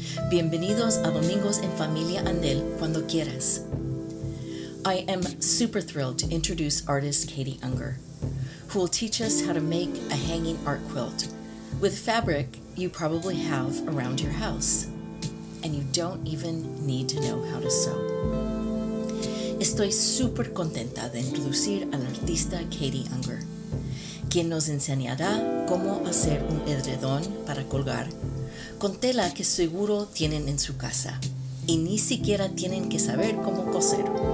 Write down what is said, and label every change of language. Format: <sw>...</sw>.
<es>Bienvenidos a Domingos en Familia Andell, cuando quieras.</es> <en>I am super thrilled to introduce artist Katy Unger, who will teach us how to make a hanging art quilt with fabric you probably have around your house, and you don't even need to know how to sew.</en> <es>Estoy super contenta de introducir al artista Katy Unger, quien nos enseñará cómo hacer un edredón para colgar con tela que seguro tienen en su casa y ni siquiera tienen que saber cómo coser.</es>